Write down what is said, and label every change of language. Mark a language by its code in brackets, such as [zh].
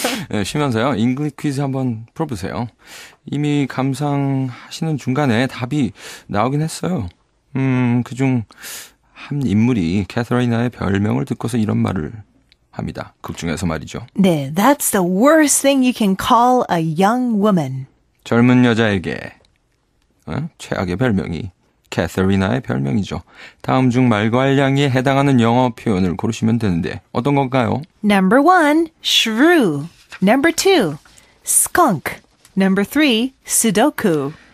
[ko] 네, 쉬면서요. 잉글리 퀴즈 한번 풀어보세요. 이미 감상하시는 중간에 답이 나오긴 했어요. 그중 한 인물이 캐서리나의 별명을 듣고서 이런 말을 합니다. 극 중에서 말이죠. [en] 네, that's the worst thing you can call a young woman. [ko] 젊은 여자에게 최악의 별명이 캐서리나의 별명이죠. 다음 중 말괄량이에 해당하는 영어 표현을 고르시면 되는데 어떤 건가요? [en] Number one, shrew. Number two, skunk. Number three, sudoku.